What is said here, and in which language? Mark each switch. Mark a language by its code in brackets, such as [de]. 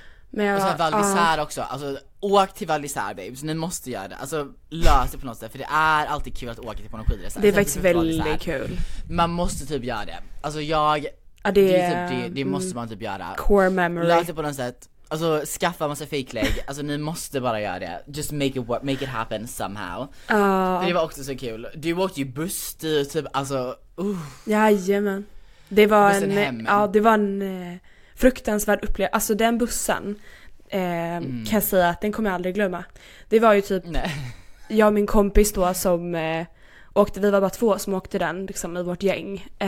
[sv] Men jag, och så här, Val d'Isère också. Alltså, åk till Val d'Isère, babes. Ni måste göra det. Alltså, lös det på något sätt. För det är alltid kul att åka till på någon skidresa. Det är faktiskt väldigt kul. Man måste typ göra det. Alltså, jag... Ja, det, är, typ, det måste man typ göra. [en] Core memory. [sv] Lös det på något sätt. Alltså, skaffa massa fake leg. Alltså, ni måste bara göra det. [en] Just make it happen somehow. [sv] Det var också så kul. Du åkte ju buss till typ, alltså... Jajamän. Det var bussen en... Hem. Ja, det var en... fruktansvärd upplevelse. Alltså den bussen kan jag säga att den kommer jag aldrig glömma. Det var ju typ jag och min kompis då som åkte, vi var bara två som åkte den liksom i vårt gäng.